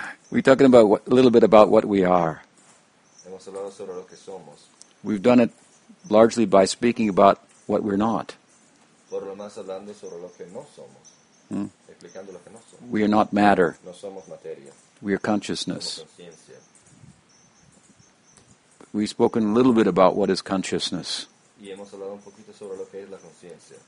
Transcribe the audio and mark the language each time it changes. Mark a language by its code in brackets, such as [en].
[en] We're talking about a little bit about what we are. [es] Hemos hablado sobre lo que somos. [en] We've done it largely by speaking about what we're not. [es] Por lo más hablando sobre lo que no somos. Explicando lo que no somos. [en] We are not matter. [es] No somos materia. [en] We are consciousness. [es] Somos conciencia. [en] We've spoken a little bit about what is consciousness. [es] Y hemos hablado un poquito sobre lo que es la conciencia.